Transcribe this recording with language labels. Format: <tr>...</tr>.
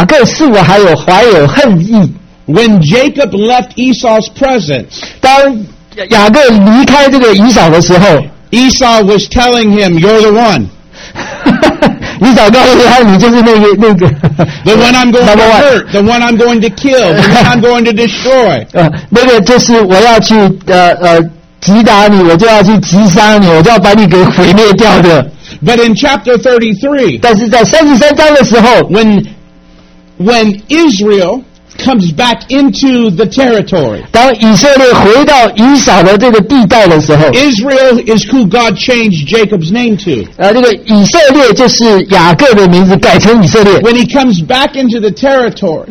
<zh>他不确定以扫对雅各是否还有怀有恨意。</zh> <en>When Jacob left Esau's presence,</en> <zh>当雅各离开这个以扫的时候,</zh> <en>Esau was telling him, you're the one.</en> <zh>以扫告诉他你就是那个。</zh> <en>The one I'm going to hurt, the one I'm going to kill, the one I'm going to destroy.</en> <zh>那个就是我要去击打你，我就要去击杀你，我就要把你给毁灭掉的。</zh> <en>But in chapter 33,</en> <zh>但是在33章的时候,</zh> <en>when Israel comes back into the territory,</en> <zh>当以色列回到以扫的这个地带的时候,</zh> <en>Israel is who God changed Jacob's name to.</en> <zh>这个以色列就是雅各的名字改成以色列。</zh> <en>When he comes back into the territory,</en>